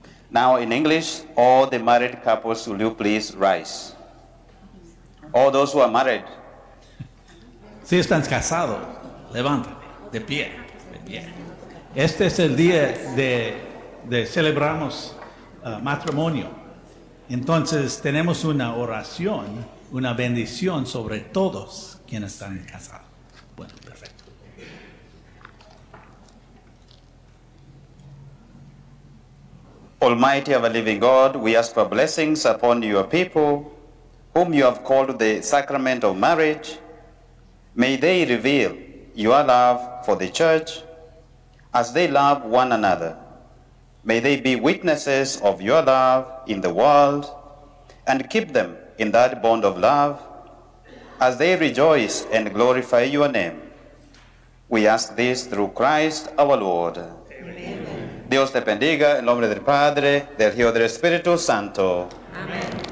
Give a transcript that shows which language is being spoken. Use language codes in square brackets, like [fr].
[en] Now in English, all the married couples, will you please rise? All those who are married. [es] Si están casados, levántate, de pie, de pie. Este es el día de celebramos matrimonio. Entonces tenemos una oración, una bendición sobre todos quienes están casados. Bueno, perfecto. [en] Almighty ever living God, we ask for blessings upon your people, whom you have called the sacrament of marriage. May they reveal your love for the church as they love one another. May they be witnesses of your love in the world and keep them in that bond of love as they rejoice and glorify your name. We ask this through Christ our Lord. [es] Dios te bendiga, en nombre del Padre, del Hijo y del Espíritu Santo. Amén.